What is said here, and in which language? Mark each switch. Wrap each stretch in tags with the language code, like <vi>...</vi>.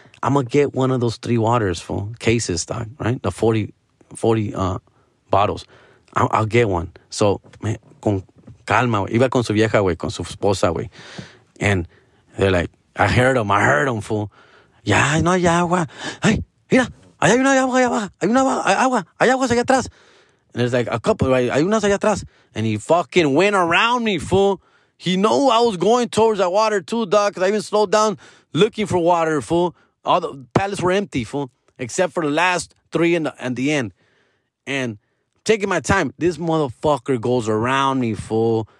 <en>I'm going to get one of those three waters, fool. Cases, dog, right? The 40 bottles. I'll get one.</en> <es>So, man, con calma, güey. Iba con su vieja, güey, con su esposa, güey.</es> <en>And they're like, I heard them, fool.</en> <es>Ya, no hay agua. Ay, mira, allá hay una agua allá abajo. Hay una agua, hay aguas allá atrás.</es> <en>And there's like a couple, right?</en> <es>Hay unas allá atrás.</es> <en>And he fucking went around me, fool. He knew I was going towards that water too, dog, because I even slowed down looking for water, fool. All the pallets were empty, fool, except for the last three in the end. And taking my time, this motherfucker goes around me, fool.</en>